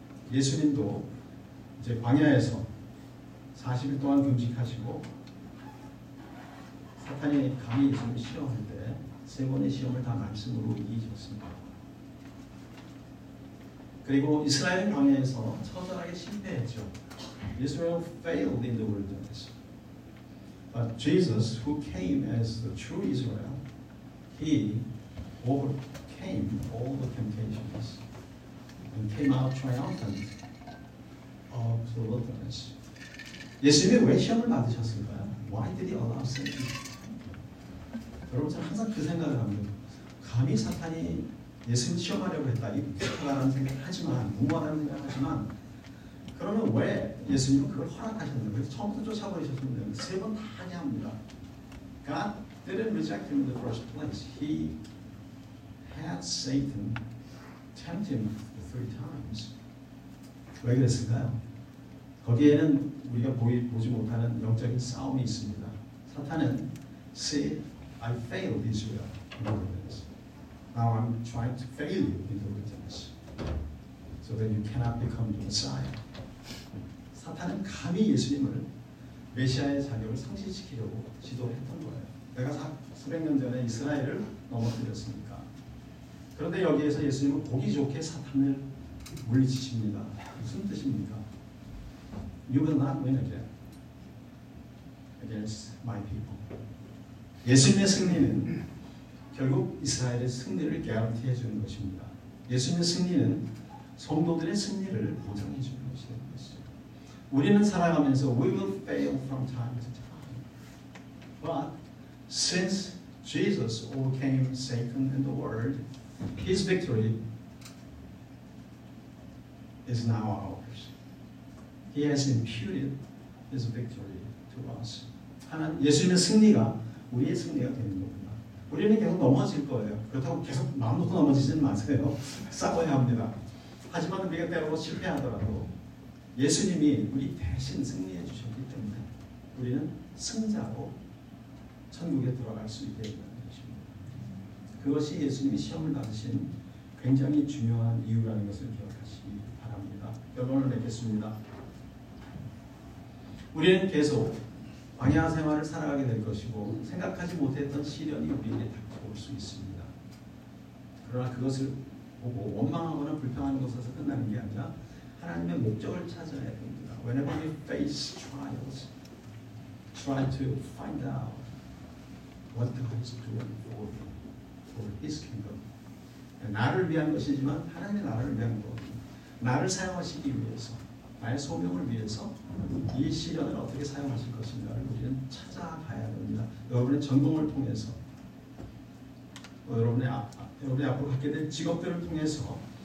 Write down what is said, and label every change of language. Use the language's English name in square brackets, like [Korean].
[Korean] 예수님도 이제 광야에서 40일 동안 금식하시고 사탄이 감히 예수님을 시험할 때 세 번의 시험을 다 말씀으로 이기셨습니다. 그리고 이스라엘 광야에서 처절하게 실패했죠. [English] Israel failed in the wilderness. But Jesus, who came as the true Israel, he overcame all the temptations and came out triumphant of the wilderness. [Korean] 예수님이 왜 시험을 받으셨을까요? [English] Why did he allow Satan? [Korean] 여러분, 저는 항상 그 생각을 합니다. 감히 사탄이 예수님 시험하려고 했다. 이 부족하다는 생각을 하지만, 무모하다는 생각을 하지만, 그러면 왜 예수님은 그걸 허락하셨는데 처음부터 쫓아버리셨는데 세 번 다 하냐 합니다. [English] God didn't reject him in the first place. He had Satan tempt him three times. [Korean] 왜 그랬을까요? 거기에는 우리가 보지 못하는 영적인 싸움이 있습니다. [English] 사탄은 See, I failed Israel in the wilderness. Now I'm trying to fail you in the wilderness. So that you cannot become the Messiah. [Korean] 사탄은 감히 예수님을 메시아의 자격을 상실시키려고 시도했던 거예요. 내가 수백 년 전에 이스라엘을 넘어뜨렸으니까. 그런데 여기에서 예수님은 보기 좋게 사탄을 물리치십니다. 무슨 뜻입니까? [English] You will not win again against my people. [Korean] 예수님의 승리는 결국 이스라엘의 승리를 garantee 해주는 것입니다. 예수님의 승리는 성도들의 승리를 보장해줍니다. 우리는 살아가면서 [English] we will fail from time to time. But since Jesus overcame Satan and the world, his victory is now ours. He has imputed his victory to us. [Korean] 하나, 예수님의 승리가 우리의 승리가 되는 겁니다. 우리는 계속 넘어질 거예요. 그렇다고 계속 마음 놓고 넘어지지는 마세요. 싸워야 합니다. 하지만 우리가 때로 실패하더라도 예수님이 우리 대신 승리해 주셨기 때문에 우리는 승자로 천국에 들어갈 수 있게 된다는 것입니다. 그것이 예수님이 시험을 받으신 굉장히 중요한 이유라는 것을 기억하시기 바랍니다. 결론을 맺겠습니다. 우리는 계속 광야 생활을 살아가게 될 것이고 생각하지 못했던 시련이 우리에게 닥쳐올 수 있습니다. 그러나 그것을 보고 원망하거나 불평하는 것에서 끝나는 게 아니라 하나님의 목적을 찾아야 됩니다. [English] Whenever you face trials, try to find out what God is doing for you, for His kingdom. [Korean] 나를 위한 것이지만 하나님이 나를 위한 것, 나를 사용하시기 위해서, 나의 소명을 위해서 이 시련을 어떻게 사용하실 것인가를 우리는 찾아가야 됩니다. 여러분의 전공을 통해서, 여러분의 앞으로 갖게 될 직업들을 통해서.